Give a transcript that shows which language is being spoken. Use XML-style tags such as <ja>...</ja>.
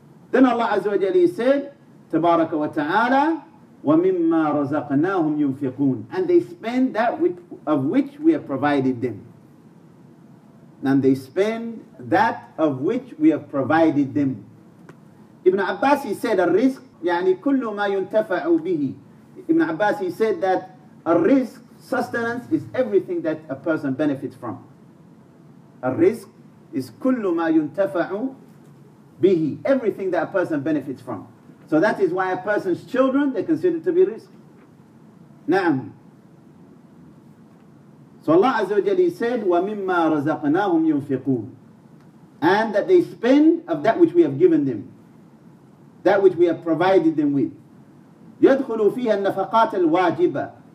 <en>Then Allah Azza wa Jalla said, تَبَارَكَ وَتَعَالَى,</en> <ar>وَمِمَّا رَزَقْنَاهُمْ يُنْفِقُونَ.</ar> <en>And they spend that which, of which we have provided them. And they spend that of which we have provided them. Ibn Abbas, he said,</en> <ar>الرزق يعني كل ما ينتفع به.</ar> <en>Ibn Abbas, he said that الرزق, sustenance, is everything that a person benefits from.</en> <ar>الرزق</ar> <en>is</en> <ar>كل ما ينتفع به.</ar> <en>Everything that a person benefits from. So that is why a person's children, they're considered to be risk. Na'am. So Allah Azza wa Jalla said, وَمِمَّا رَزَقْنَاهُمْ يُنْفِقُونَ. And that they spend of that which we have given them, that which we have provided them with.</en> <ar>يدخل فيها النفقات الواجبة.</ar>